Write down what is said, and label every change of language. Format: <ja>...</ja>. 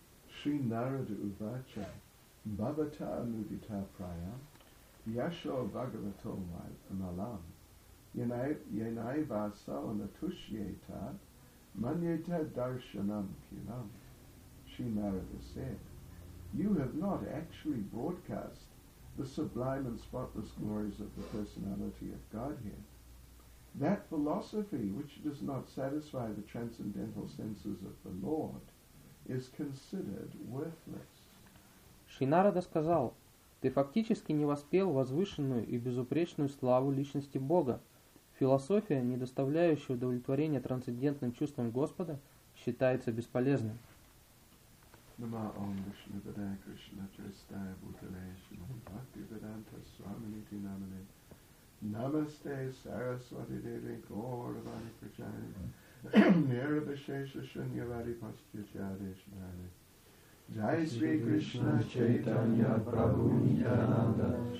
<sa>Шри Нарада Увача Бхагавата Анудита Прая Яшо Бхагавато Малам Енайваса Натушьета Маньета Даршанам Килам.</sa> <en>Шри Нарада said, you have not actually broadcast the sublime and spotless glories of the personality of Godhead. That philosophy which does not satisfy the transcendental senses of the Lord is considered worthless.</en> <ru>Шри Нарада сказал, ты фактически не воспел возвышенную и безупречную славу личности Бога. Философия, не доставляющая удовлетворения трансцендентным чувствам Господа, считается бесполезной.</ru> <sa>Нама Ом Вишну Падая Кришна Тристая Бутале Шримад Бхакти Веданта Свамити Намане Намасте Сарасвати Деви Гауравани Прачаре Нирвишеша Шуньявади Пасхачаре Шмале Джай Шри Кришна Чайтанья Прабху Нитянанда</sa>